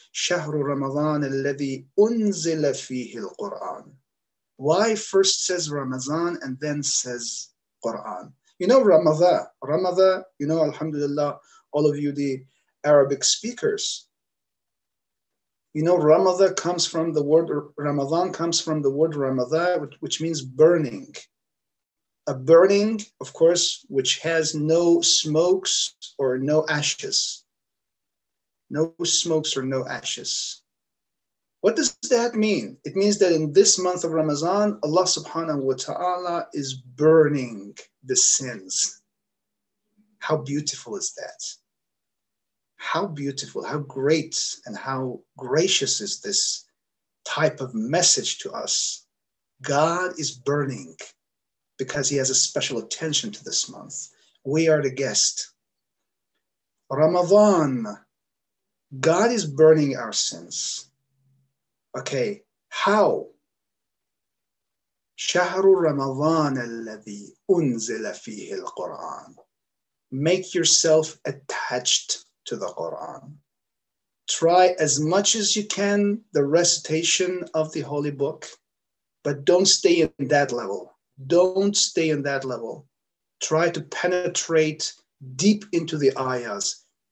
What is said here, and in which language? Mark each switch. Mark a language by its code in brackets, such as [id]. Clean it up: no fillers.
[ar] شهر رمضان الذي أنزل فيه القرآن. [en] Why first says Ramadan and then says Quran? You know Ramadan, you know, alhamdulillah, all of you, the Arabic speakers. You know, Ramadan comes from the word Ramadan, which means burning. A burning, of course, which has no smokes or no ashes. No smokes or no ashes. What does that mean? It means that in this month of Ramadan, Allah subhanahu wa ta'ala is burning the sins. How beautiful is that? How beautiful, how great, and how gracious is this type of message to us? God is burning because he has a special attention to this month. We are the guest. Ramadan, God is burning our sins. Okay, how? [ar] شهر رمضان الذي أنزل فيه القرآن. [en] Make yourself attached to the Quran. Try as much as you can the recitation of the holy book, but don't stay in that level. Don't stay in that level. Try to penetrate deep into the ayahs.